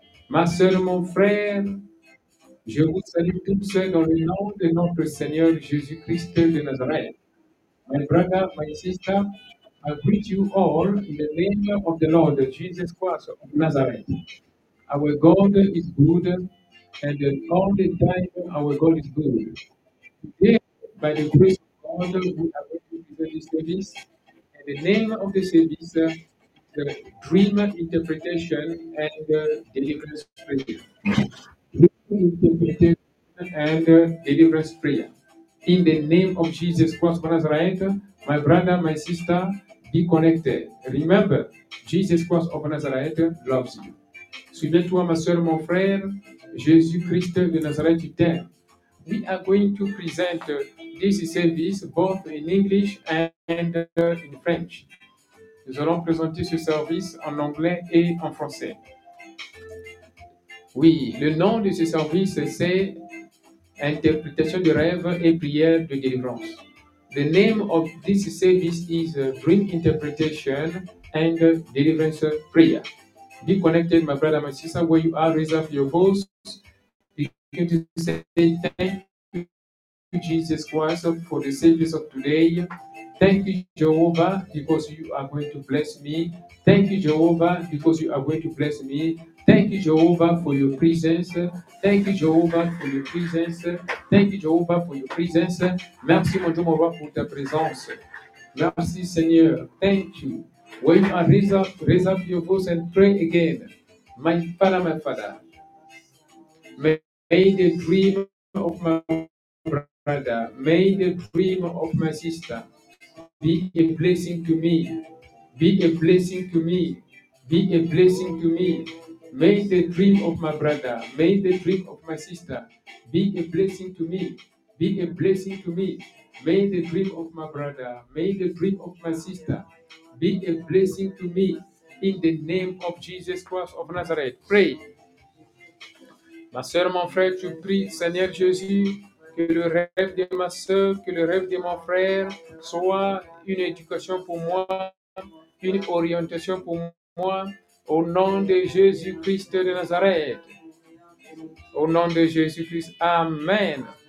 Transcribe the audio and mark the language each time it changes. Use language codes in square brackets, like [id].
[fr] Ma sœur, mon frère, je vous salue tous seuls dans le nom de notre Seigneur Jésus-Christ de Nazareth. [en] My brother, my sister, I greet you all in the name of the Lord Jesus Christ of Nazareth. Our God is good, and all the time our God is good. Today, by the grace of God, we are going to do this service, and the name of the service is the Dream Interpretation and Deliverance Prayer. Dream Interpretation and Deliverance Prayer. In the name of Jesus Christ of Nazareth, my brother, my sister, be connected. Remember, Jesus Christ of Nazareth loves you. [fr] Suivez-toi, ma soeur, mon frère, Jésus-Christ de Nazareth, tu t'aimes. [en] We are going to present this service both in English and in French. [fr] Nous allons présenter ce service en anglais et en français. Oui, le nom de ce service, c'est Interpretation de rêve et prière de délivrance. [en] The name of this service is Dream Interpretation and Deliverance Prayer. Be connected, my brother, my sister, where you are, raise up your voice. Begin to say thank you, Jesus Christ, for the service of today. Thank you, Jehovah, because you are going to bless me. Thank you, Jehovah, because you are going to bless me. Thank you, Jehovah, for your presence. Thank you, Jehovah, for your presence. Thank you, Jehovah, for your presence. [fr] Merci, mon Dieu, mon roi, pour ta présence. Merci, Seigneur. [en] Thank you. When you are raise up your voice and pray again. My Father, may the dream of my brother, may the dream of my sister be a blessing to me. Be a blessing to me. Be a blessing to me. May the dream of my brother, may the dream of my sister be a blessing to me, be a blessing to me. May the dream of my brother, may the dream of my sister be a blessing to me in the name of Jesus Christ of Nazareth. Pray. [fr] Ma soeur, mon frère, je prie, Seigneur Jésus, que le rêve de ma soeur, que le rêve de mon frère soit une éducation pour moi, une orientation pour moi. Au nom de Jésus-Christ de Nazareth. Au nom de Jésus-Christ. Amen.